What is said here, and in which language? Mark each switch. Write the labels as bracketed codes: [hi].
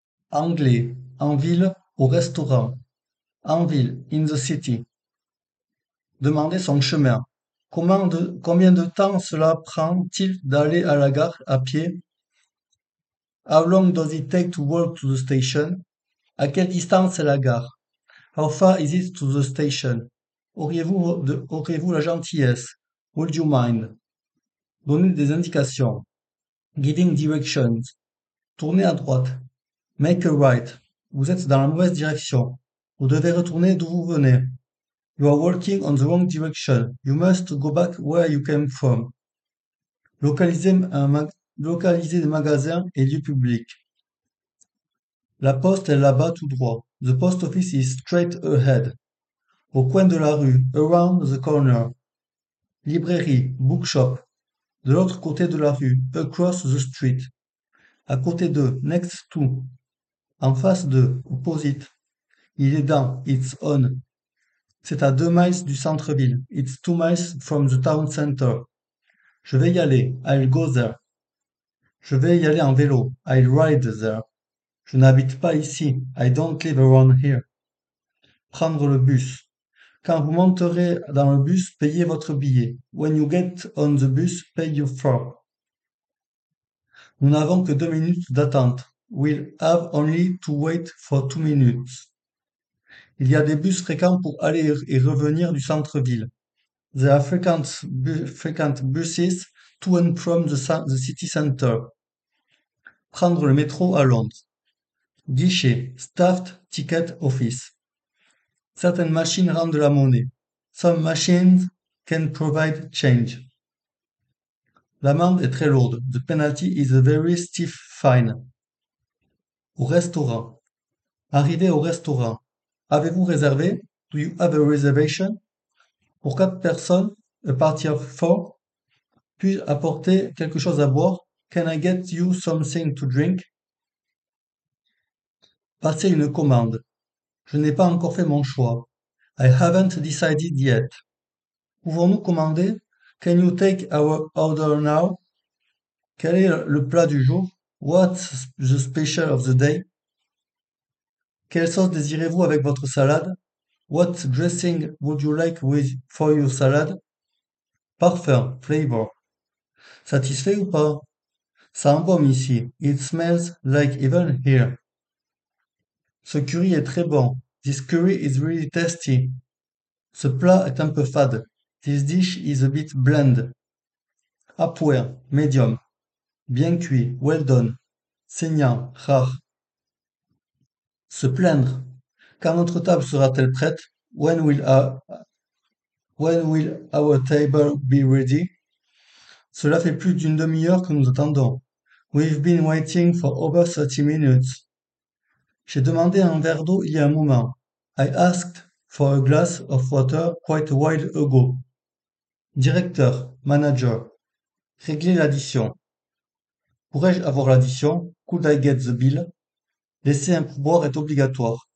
[fr] Anglais, en ville, au restaurant. En ville, [en] in the city. [fr] Demander son chemin. Combien de temps cela prend-il d'aller à la gare à pied? [en] How long does it take to walk to the station? [fr] À quelle distance est la gare? [en] How far is it to the station? [fr] Auriez-vous la gentillesse? [en] Would you mind? [fr] Donner des indications. [en] Giving directions. [fr] Tournez à droite. [en] Make a right. [fr] Vous êtes dans la mauvaise direction. Vous devez retourner d'où vous venez. [en] You are walking on the wrong direction. You must go back where you came from. [fr] Localiser des magasins et lieux publics. La poste est là-bas tout droit. [en] The post office is straight ahead. [fr] Au coin de la rue. [en] Around the corner. [fr] Librairie. Bookshop. De l'autre côté de la rue. [en] Across the street. [fr] À côté de. [en] Next to. [fr] En face de. Opposite. Il est dans. [en] It's on. [fr] C'est à 2 miles du centre-ville. [en] It's 2 miles from the town center. [fr] Je vais y aller. [en] I'll go there. [fr] Je vais y aller en vélo. [en] I'll ride there. [fr] Je n'habite pas ici. [en] I don't live around here. [fr] Prendre le bus. Quand vous monterez dans le bus, payez votre billet. [en] When you get on the bus, pay your fare. [fr] Nous n'avons que 2 minutes d'attente. [en] We'll have only to wait for 2 minutes. [fr] Il y a des bus fréquents pour aller et revenir du centre-ville. [en] There are frequent buses to and from the city center. [fr] Prendre le métro à Londres. Guichet, [en] staffed ticket office. [fr] Certaines machines rendent de la monnaie. [en] Some machines can provide change. [fr] L'amende est très lourde. [en] The penalty is a very stiff fine. [fr] Au restaurant. Arrivé au restaurant. Avez-vous réservé? [en] Do you have a reservation? [fr] Pour 4 personnes, [en] a party of four. [fr] Puis-je apporter quelque chose à boire? [en] Can I get you something to drink? [fr] Passer une commande. Je n'ai pas encore fait mon choix. [en] I haven't decided yet. [fr] Pouvons-nous commander? [en] Can you take our order now? [fr] Quel est le plat du jour? [en] What's the special of the day? [fr] Quelle sauce désirez-vous avec votre salade? [en] What dressing would you like with for your salad? [fr] Parfum, flavor. Satisfait ou pas? Ça embaume ici. [en] It smells like heaven here. [fr] Ce curry est très bon. [en] This curry is really tasty. [fr] Ce plat est un peu fade. [en] This dish is a bit bland. [fr] À point, medium. Bien cuit, [en] well done. [fr] Saignant, rare. Se plaindre. Quand notre table sera-t-elle prête? [en] When will our table be ready? [fr] Cela fait plus d'une demi-heure que nous attendons. [en] We've been waiting for over 30 minutes. [fr] J'ai demandé un verre d'eau il y a un moment. [en] I asked for a glass of water quite a while ago. [fr] Directeur, manager, réglez l'addition. Pourrais-je avoir l'addition? [en] Could I get the bill? [fr] Laisser un pourboire est obligatoire.